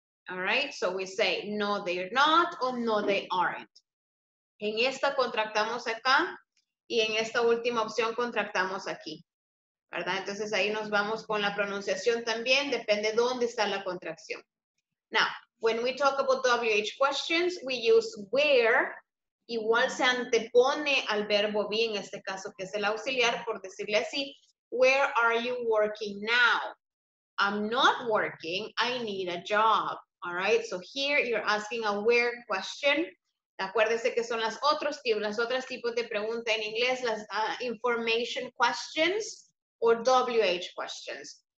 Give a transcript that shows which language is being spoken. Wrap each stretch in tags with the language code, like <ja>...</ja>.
<en>All right, so we say no, they're not, or no, they aren't.</en> <es>En esta contractamos acá y en esta última opción contractamos aquí, ¿verdad? Entonces ahí nos vamos con la pronunciación también, depende dónde está la contracción.</es> <en>Now, when we talk about WH questions, we use where.</en> <es>Igual se antepone al verbo be, en este caso que es el auxiliar, por decirle así.</es> <en>Where are you working now? I'm not working. I need a job. All right. So here you're asking a where question.</en> <es>Acuérdese que son las otras tipos de pregunta en inglés, las</es> <en>information questions or WH questions.</en>